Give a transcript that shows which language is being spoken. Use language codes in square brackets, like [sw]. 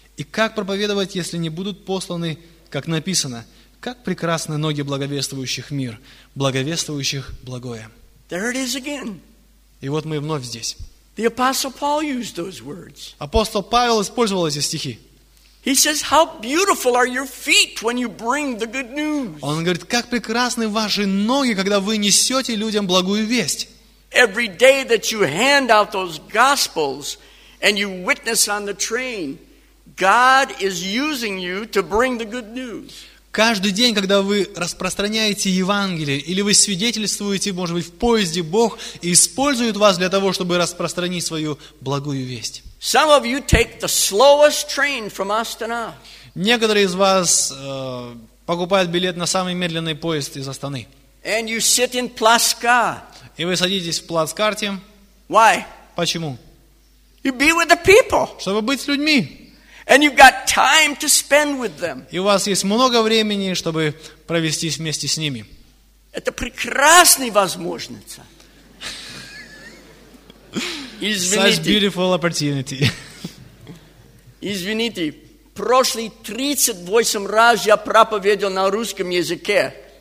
[ru] И как проповедовать, если не будут посланы, как написано? Как прекрасны ноги благовествующих мир, благовествующих благое». [en] There it is again. [ru] И вот мы вновь здесь. [en] The Apostle Paul used those words. [ru] Апостол Павел использовал эти стихи. [en] He says, "How beautiful are your feet when you bring the good news." [ru] Он говорит, как прекрасны ваши ноги, когда вы несете людям благую весть. [en] Every day that you hand out those gospels and you witness on the train, God is using you to bring the good news. [ru] Каждый день, когда вы распространяете Евангелие, или вы свидетельствуете, может быть, в поезде, Бог использует вас для того, чтобы распространить свою благую весть. [en] Some of you take the slowest train from Astana. [ru] Некоторые из вас покупают билет на самый медленный поезд из Астаны. [en] And you sit in Plaska. [ru] И вы садитесь в плацкарте. [en] Why? [ru] Почему? [en] You be with the people. [ru] Чтобы быть с людьми. [en] And you've got time to spend with them. [ru] И у вас есть много времени, чтобы провести вместе с ними. Это прекрасная возможность. Извините. [en] Such beautiful opportunity. [ru] Извините, прошлые 38 раз я проповедовал на русском языке.